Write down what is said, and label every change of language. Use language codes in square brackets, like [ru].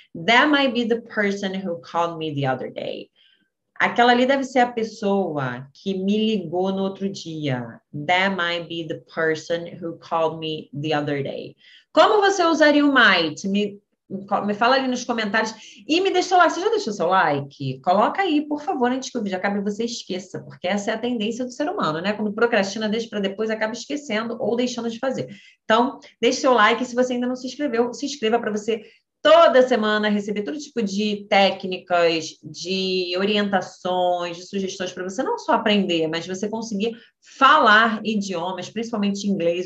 [en] That might be the person who called me the other day. [pt] Aquela ali deve ser a pessoa que me ligou no outro dia. [en] That might be the person who called me the other day. [pt] Como você usaria o might? Me fala ali nos comentários e me deixa lá. Você já deixou seu like? Coloca aí, por favor, antes que o vídeo acabe e você esqueça, porque essa é a tendência do ser humano, né? Quando procrastina, deixa para depois, acaba esquecendo ou deixando de fazer. Então, deixe seu like. Se você ainda não se inscreveu, se inscreva para você toda semana receber todo tipo de técnicas, de orientações, de sugestões para você não só aprender, mas você conseguir falar idiomas, principalmente inglês.